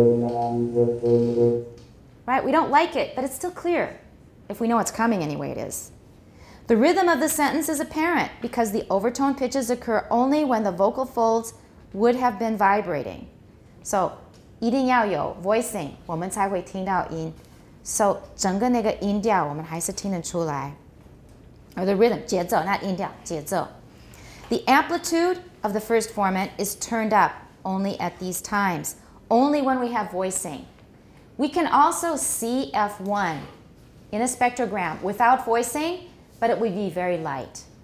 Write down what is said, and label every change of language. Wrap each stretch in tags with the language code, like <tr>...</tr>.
<en>Right, we don't like it, but it's still clear. If we know it's coming anyway, it is. The rhythm of the sentence is apparent because the overtone pitches occur only when the vocal folds would have been vibrating. So,</en> <zh>一定要有 voicing, 我们才会听到音. So, 整个那个音调我们还是听得出来.</zh> <en>Or the rhythm, 节奏, not 音调, 节奏. The amplitude of the first formant is turned up only at these times, only when we have voicing. We can also see F1 in a spectrogram without voicing, but it would be very light.</en>